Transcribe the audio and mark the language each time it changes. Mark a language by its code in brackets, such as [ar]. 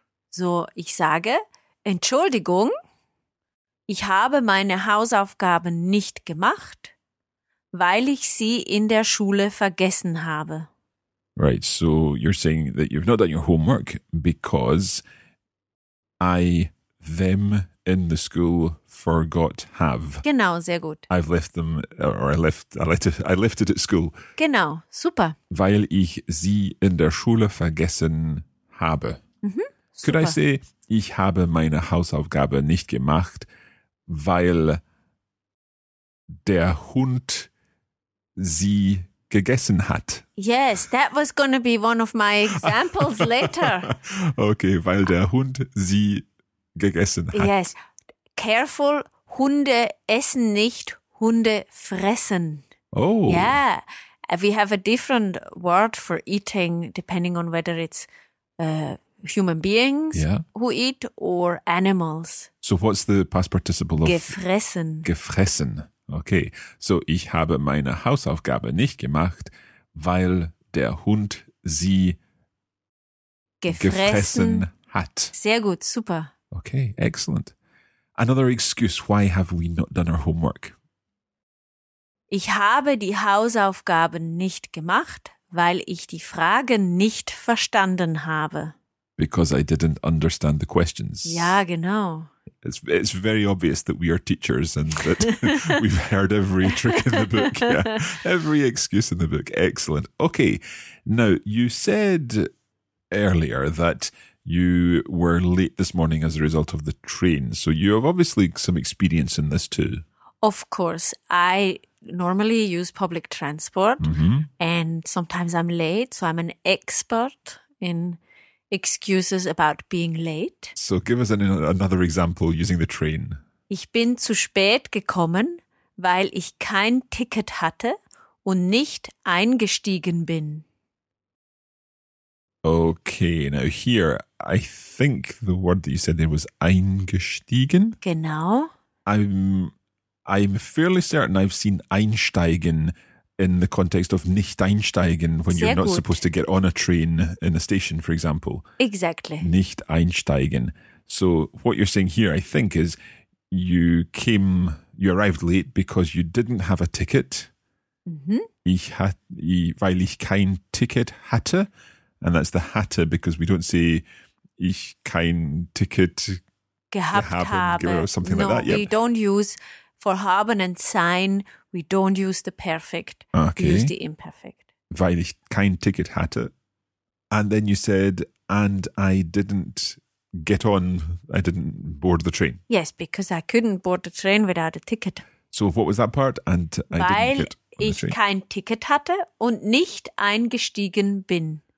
[de] So, ich sage, Entschuldigung, ich habe meine Hausaufgaben nicht gemacht, weil ich sie in der Schule vergessen habe. [en] Right, so you're saying that you've not done your homework because I, them, in the school forgot have. [de] Genau, sehr gut. [en] I've left them, or I left it at school. [de] Genau, super. Weil ich sie in der Schule vergessen habe. Mm-hmm, [en] could I say, [de] ich habe meine Hausaufgabe nicht gemacht, weil der Hund sie gegessen hat? [en] Yes, that was going to be one of my examples later. [de] Okay, weil der Hund sie gegessen hat. [en] Yes. Careful, [de] Hunde essen nicht, Hunde fressen. Oh. Yeah. [en] We have a different word for eating depending on whether it's human beings who eat or animals. So what's the past participle of [de] gefressen? Gefressen. Okay. So ich habe meine Hausaufgabe nicht gemacht, weil der Hund sie gefressen hat. Sehr gut, super. [en] Okay, excellent. Another excuse, why have we not done our homework? [de] Ich habe die Hausaufgaben nicht gemacht, weil ich die Fragen nicht verstanden habe. [en] Because I didn't understand the questions. [de] Ja, genau. [en] It's very obvious that we are teachers and that we've heard every trick in the book. Yeah, every excuse in the book. Excellent. Okay, now you said earlier that you were late this morning as a result of the train. So you have obviously some experience in this too. Of course. I normally use public transport and sometimes I'm late. So I'm an expert in excuses about being late. So give us another example using the train. [de] Ich bin zu spät gekommen, weil ich kein Ticket hatte und nicht eingestiegen bin. [en] Okay, now here, I think the word that you said there was eingestiegen. [de] Genau. [en] I'm fairly certain I've seen einsteigen in the context of nicht einsteigen, when [de] sehr [en] you're not [de] gut. [en] Supposed to get on a train in a station, for example. Exactly. [de] Nicht einsteigen. [en] So what you're saying here, I think, is you arrived late because you didn't have a ticket. Mm-hmm. [de] Weil ich kein Ticket hatte. [en] And that's the hatte, because we don't say [de] ich kein Ticket gehabt habe. [en] Or something no, like that. No, we don't use, for haben and sein, we don't use the perfect, okay. We use the imperfect. [de] Weil ich kein Ticket hatte. [en] And then you said, and I didn't get on, I didn't board the train. Yes, because I couldn't board the train without a ticket. So what was that part? And [de] weil [en] I didn't get... [de] ich kein Ticket hatte und nicht eingestiegen bin.